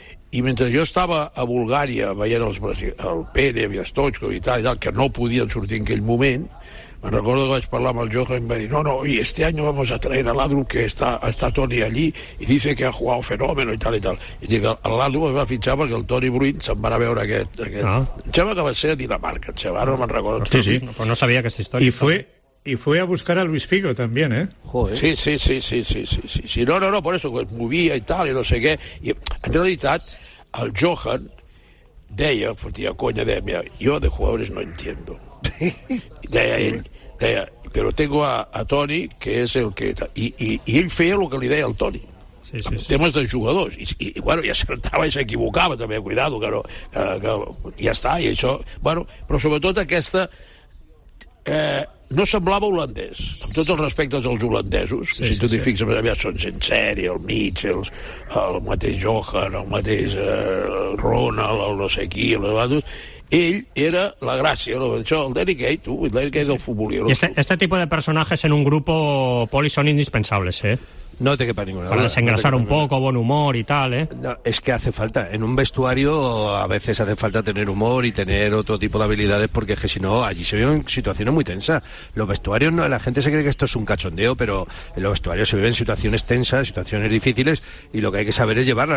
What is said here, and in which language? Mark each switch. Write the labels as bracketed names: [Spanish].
[Catalan] I mentre jo estava a Bulgària veient el Pere, el Stoichkov i tal, que no podien sortir en aquell moment, me'n recordo que vaig parlar amb el Johan i em va dir, no, i este any [Spanish] vamos a traer a Ladrup, [Catalan] que està Toni allí, i [Spanish] dice que ha jugado fenómeno [Catalan] i tal i tal. I dic, el Ladrup es va fitxar perquè el Toni Bruin se'n va anar a veure aquest. Em sembla que va ser a Dinamarca, ara no me'n recordo. Sí, sí, però no sabia aquesta història. [Spanish] Y fue a buscar a Luis Figo también, Sí, sí, sí, sí, sí, sí, sí, sí. No, por eso que movía y tal y no sé qué. Y en realidad el Johan [Catalan] deia, fotia conya, deia, [Spanish] mira, yo de jugadores no entiendo. [Catalan] Deia ell, deia, [Spanish] pero tengo a Toni, que es el que... [Catalan] I ell feia el que li deia el Toni. Sí, sí, sí. Temes de jugadors. I bueno, i acertava i s'equivocava també, cuidado, que no... Que ja està, i això... Bueno, però sobretot aquesta... no semblava holandès, amb tots els respectes als holandesos, sí, si tu t'hi fixes, més aviat són gent sèrie, el Mitchell, el mateix Johan, el mateix Ronald, el no sé qui, ell era la gràcia, això, el Danny Kaye, tu, el Danny Kaye és el futbolí. I este tipus de personatges en un grupo poli són indispensables, eh? [Spanish] No te quepa ninguna. Para desengrasar un poco, buen humor y tal, ¿eh? No, es que hace falta. En un vestuario a veces hace falta tener humor y tener otro tipo de habilidades, porque es que si no, allí se viven situaciones muy tensas. Los vestuarios, no, la gente se cree que esto es un cachondeo, pero en los vestuarios se viven situaciones tensas, situaciones difíciles, y lo que hay que saber es llevarla.